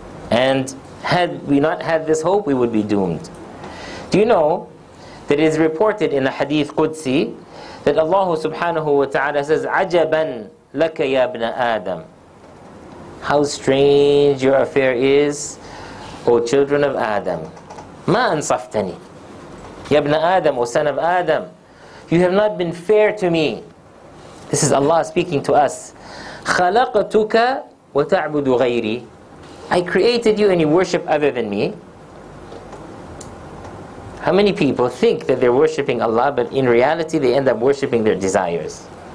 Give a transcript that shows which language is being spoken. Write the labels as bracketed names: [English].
[English] And had we not had this hope, we would be doomed. Do you know that it is reported in the hadith Qudsi that Allah subhanahu wa ta'ala says, [Arabic] عجباً لك يا ابن آدم. [English] How strange your affair is, O children of Adam. [Arabic] ما أنصفتني يا ابن آدم, [English] O son of Adam. You have not been fair to me. This is Allah speaking to us. [Arabic] خلقتك وتعبد غيري. [English] I created you and you worship other than me. How many people think that they're worshiping Allah, but in reality they end up worshiping their desires?